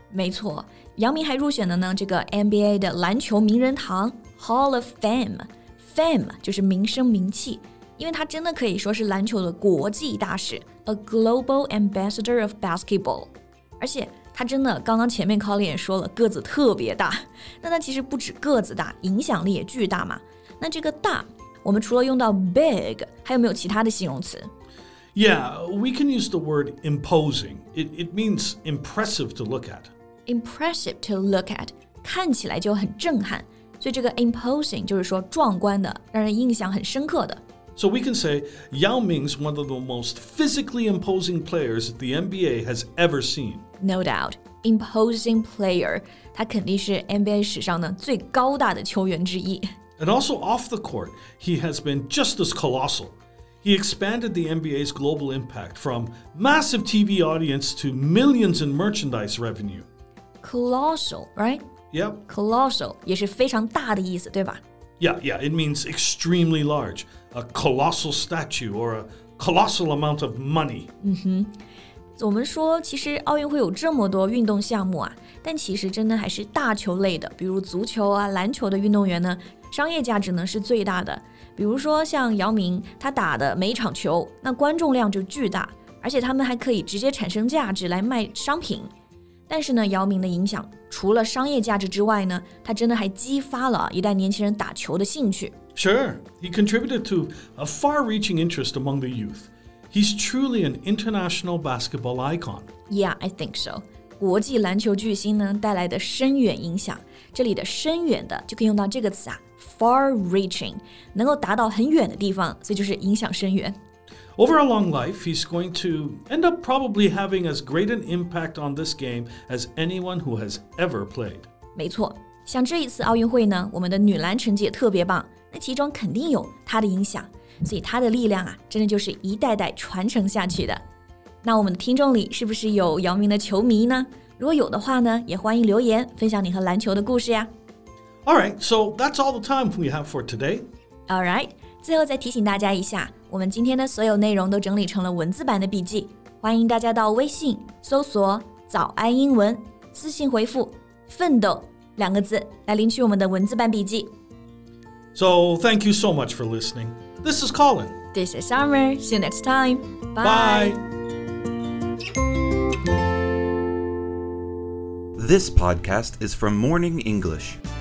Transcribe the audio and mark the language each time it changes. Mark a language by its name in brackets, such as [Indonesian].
[Chinese] 没错，姚明还入选了呢这个 NBA 的篮球名人堂 Hall of Fame。 Fame 就是名声名气，因为他真的可以说是篮球的国际大使 ， [English] a global ambassador of basketball。 [Chinese] 而且他真的，刚刚前面 Colin 也说了，个子特别大。那他其实不止个子大，影响力也巨大嘛。那这个大，我们除了用到 big， 还有没有其他的形容词 [English] ？Yeah， we can use the word imposing. It means impressive to look at. Impressive to look at， [Chinese] 看起来就很震撼。所以这个 imposing 就是说壮观的，让人印象很深刻的。 [English] So we can say Yao Ming's one of the most physically imposing players the NBA has ever seen. No doubt, imposing player, [Chinese] 他肯定是 NBA 史上呢最高大的球员之一。 [English] And also off the court, he has been just as colossal. He expanded the NBA's global impact from massive TV audience to millions in merchandise revenue. Colossal, right? Yep. [Chinese] Colossal 也是非常大的意思，对吧 [English] ？Yeah, yeah. It means extremely large, a colossal statue or a colossal amount of money. [Chinese] 嗯哼，我们说其实奥运会有这么多运动项目啊，但其实真的还是大球类的，比如足球啊、篮球的运动员呢，商业价值呢是最大的。比如说像姚明，他打的每一场球，那观众量就巨大，而且他们还可以直接产生价值来卖商品。但是呢，姚明的影响除了商业价值之外呢，他真的还激发了一代年轻人打球的兴趣。 [English] Sure, he contributed to a far-reaching interest among the youth. He's truly an international basketball icon. Yeah, I think so. [Chinese] 国际篮球巨星呢带来的深远影响，这里的深远的就可以用到这个词啊 far-reaching, 能够达到很远的地方，所以就是影响深远。 [English] Over a long life, he's going to end up probably having as great an impact on this game as anyone who has ever played. [Chinese] 没错，像这一次奥运会呢，我们的女篮成绩也特别棒，那其中肯定有她的影响，所以她的力量啊，真的就是一代代传承下去的。那我们的听众里是不是有姚明的球迷呢？如果有的话呢，也欢迎留言分享你和篮球的故事呀。 [English] All right, so that's all the time we have for today. All right, [Chinese] 最后再提醒大家一下，我们今天的所有内容都整理成了文字版的笔记，欢迎大家到微信搜索早安英文，私信回复奋斗两个字来领取我们的文字版笔记。 [English] So thank you so much for listening. This is Colin. This is Summer. See you next time. Bye. Bye. This podcast is from Morning English.